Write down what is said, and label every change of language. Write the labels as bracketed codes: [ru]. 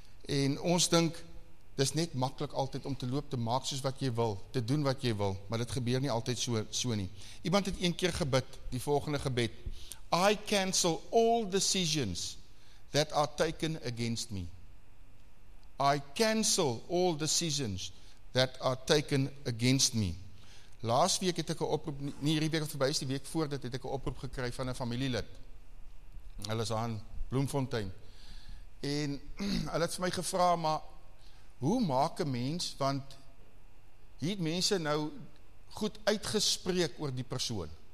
[af] En ons dink, dis net makkelijk altyd om te loop, te maak soos wat jy wil, te doen wat jy wil, maar dit gebeur nie altyd so nie. Iemand het een keer gebid, die volgende gebed, [en] I cancel all decisions that are taken against me. I cancel all decisions that are taken against me. [af] Laas week het ek 'n oproep, nie hierdie week of verby is die week voor dit, het ek 'n oproep gekry van 'n familielid. Hulle is daar in Bloemfontein. En hulle het vir my gevra, maar hoe maak 'n mens, want hier het mense nou goed uitgespreek oor die persoon.